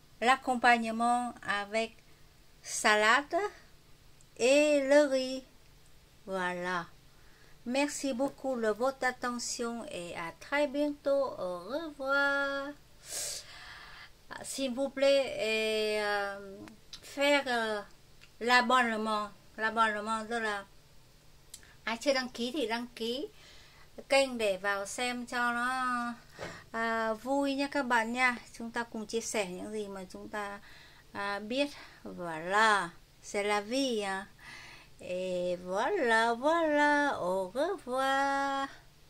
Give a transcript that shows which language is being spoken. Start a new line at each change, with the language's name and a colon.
French: L'accompagnement avec salade et le riz. Voilà. Merci beaucoup de votre attention et à très bientôt. Au revoir. S'il vous plaît, faire l'abonnement.
Vietnamese: L'abonnement rất là ai chưa đăng ký thì đăng ký kênh để vào xem cho nó vui nha các bạn nha. Chúng ta cùng chia sẻ những gì mà chúng ta biết.
French: Voilà, c'est la vie. Et voilà, au revoir.